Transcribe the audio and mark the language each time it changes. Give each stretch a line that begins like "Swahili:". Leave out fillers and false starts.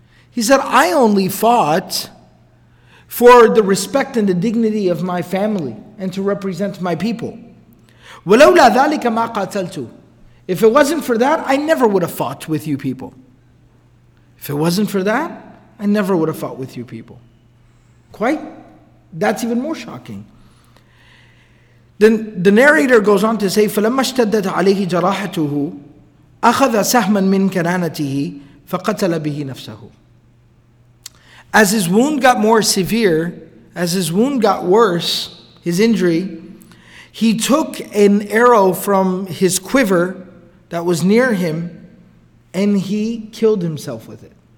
English: He said, I only fought for the respect and the dignity of my family and to represent my people.
Arabic: وَلَوْلَا ذَلِكَ مَا قَاتَلْتُ.
English: If it wasn't for that, I never would have fought with you people. If it wasn't for that, I never would have fought with you people. Quite. That's even more shocking. Then the narrator goes on to say,
Arabic: فَلَمَّا اشْتَدَّتْ عَلَيْهِ جَرَاحَتُهُ أَخَذَ سَهْمًا مِنْ كَنَانَتِهِ فَقَتَلَ بِهِ نَفْسَهُ.
English: As his wound got more severe, as his wound got worse, his injury, he took an arrow from his quiver that was near him and he killed himself with it.